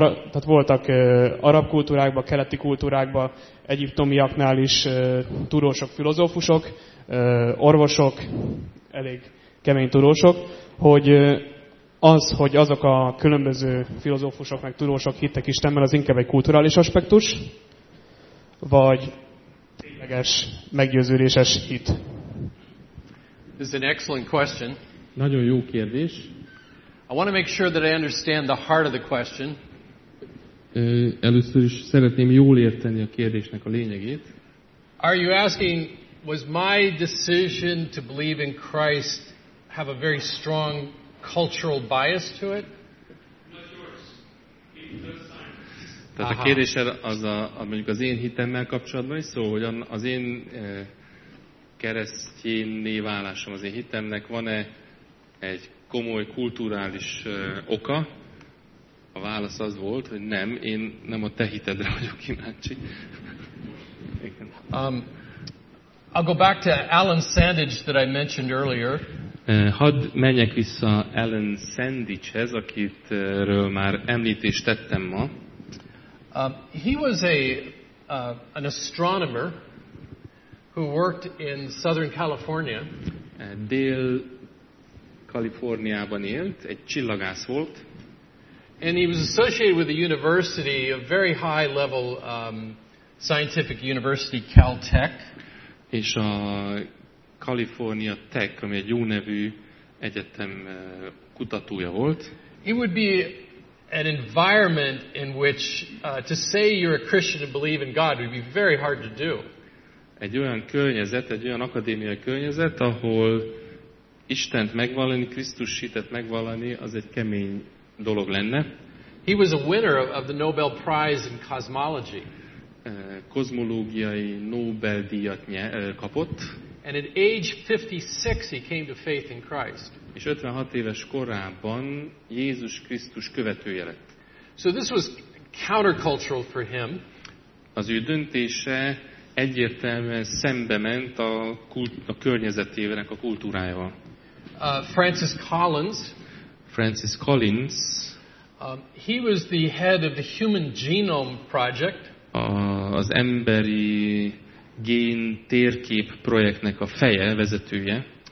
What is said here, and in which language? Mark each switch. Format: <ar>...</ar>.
<hu>tehát voltak arab kultúrákban, keleti kultúrákban, egyiptomiaknál is tudósok, filozófusok, orvosok, elég kemény tudósok, hogy az, hogy azok a különböző filozófusok meg tudósok hittek Istenben, az inkább egy kulturális aspektus, vagy tényleges, meggyőződéses hit?</hu> <en>This is an excellent question.</en> <hu>Nagyon jó kérdés.</hu> <en>I want to make sure that I understand the heart of the question.</en> <hu>Először is szeretném jól érteni a kérdésnek a lényegét.</hu> <en>Are you asking, was my decision to believe in Christ have a very strong cultural bias to it?</en> <hu>Tehát a kérdés az a mondjuk az én hitemmel kapcsolatban is, szóval, hogy az én keresztjénné válásom az én hitemnek van-e egy komoly kulturális oka? A válasz az volt, hogy nem, én nem a te hitedre vagyok kíváncsi.</hu> <en>I'll go back to Alan Sandage that I mentioned earlier.</en> <hu>Hadd menjek vissza Alan Sandage-hez, akitről már említést tettem ma.</hu> <en>He was an astronomer who worked in Southern California.</en> <hu>Dél-Kaliforniában élt, egy csillagász volt.</hu> <en>And he was associated with a university, a very high level scientific university, Caltech.</en> <hu>És a California Tech, ami egy jó nevű egyetem kutatója volt.</hu> <en>It would be an environment in which to say you're a Christian and believe in God would be very hard to do.</en> <hu>Egy olyan környezet, egy olyan akadémiai környezet, ahol Istent megvallani, Krisztus hitet megvallani, az egy kemény dolog lenne.</hu> <en>He was a winner of the Nobel Prize in Cosmology.</en> <hu>Kozmológiai Nobel-díjat kapott.</hu> <en>And at age 56 he came to faith in Christ.</en> <hu>És 56 éves korában Jézus Krisztus követője lett.</hu> <en>So this was countercultural for him.</en> <hu>Az ő döntése egyértelműen szembe ment a környezetének a kultúrájával.</hu> <en>Francis Collins. He was the head of the Human Genome Project.</en> <hu>Az emberi gén térkép projektnek a feje, vezetője.</hu>